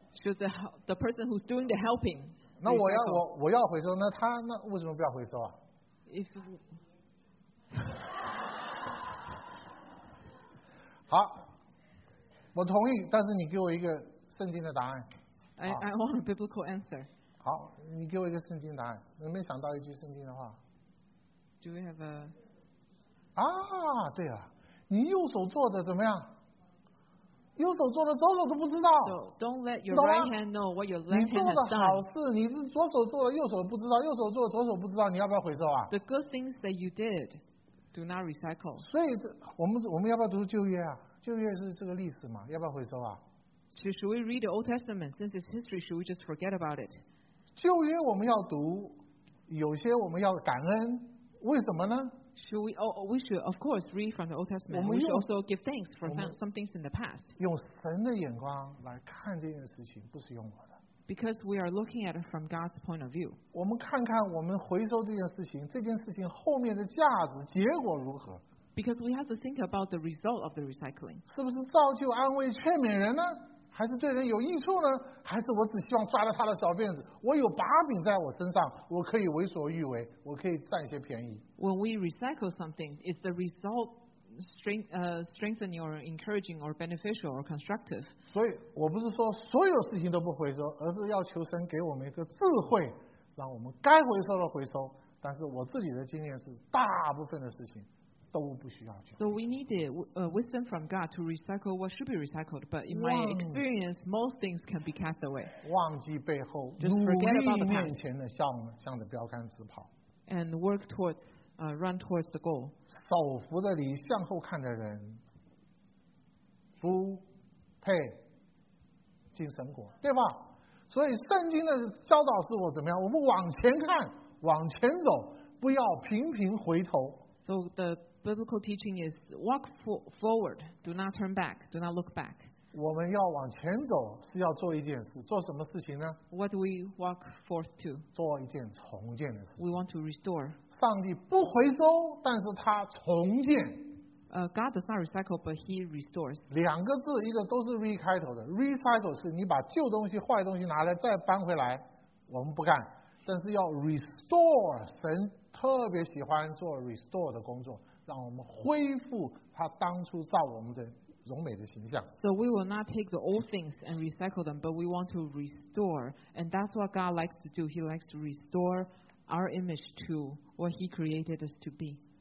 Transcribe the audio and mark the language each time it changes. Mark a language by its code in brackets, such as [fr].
[en] Should the person who's doing the helping? [zh] 那我要回收, 那他为什么不要回收啊? [en] If [zh] 好, 我同意, 但是你给我一个圣经的答案, [en] I want a biblical answer. [zh] 好, 你给我一个圣经答案, 有没有想到一句圣经的话? [en] Do we have a [zh] 啊, 对了, 你右手做的怎么样?右手做的左手都不知道, [en] so don't let your right hand know what your left hand has done. [zh] 你做的好事, 你是左手做的, 右手不知道, 右手做的, 左手不知道, 你要不要回收啊? [en] The good things that you did do not recycle. [zh] 所以我们要不要读旧约啊?旧约是这个历史嘛, 要不要回收啊? [en] So should we read the Old Testament? Since it's history, should we just forget about it? [zh] 旧约我们要读, 有些我们要感恩, 为什么呢? [en] We should, of course, read from the Old Testament. We should also give thanks for some things in the past. Because we are looking at it from God's point of view. [zh] 我们看看我们回收这件事情,这件事情后面的价值,结果如何? [en] Because we have to think about the result of the recycling. [zh] 是不是造就安慰劝勉人呢?还是对人有益处呢?还是我只希望抓着他的小辫子? 我有把柄在我身上, 我可以为所欲为, 我可以占一些便宜。 [en] When we recycle something, is the result strengthening or encouraging or beneficial or constructive? [zh] 所以我不是说所有事情都不回收, 而是要求神给我们一个智慧, 让我们该回收的回收, 但是我自己的经验是, 大部分的事情, [en] so we need the wisdom from God to recycle what should be recycled, but in my experience, most things can be cast away. [zh] 忘记背后, [en] just forget about the past. And work towards, run towards the goal. [zh] 手扶着你, 向后看的人, 不配, 进神国, 对吧? 所以圣经的教导是我怎么样?我不往前看, 往前走, 不要频频回头。 [en] So the biblical teaching is walk forward, do not turn back, do not look back. [zh] 我们要往前走是要做一件事, 做什么事情呢? [en] What do we walk forth to? [zh] 做一件重建的事。 [en] We want to restore. [zh] 上帝不回收, 但是他重建。 [en] God does not recycle, but he restores. [zh] 两个字, 一个都是re开头的, recycle是你把旧东西坏东西拿来再搬回来, 我们不干, 但是要restore, 神特别喜欢做restore的工作, 让我们恢复他当初造我们的荣美的形象。 [en] So we will not take the old things and recycle them, but we want to restore. And that's what God likes to do. He likes to restore our image to what he created us to be.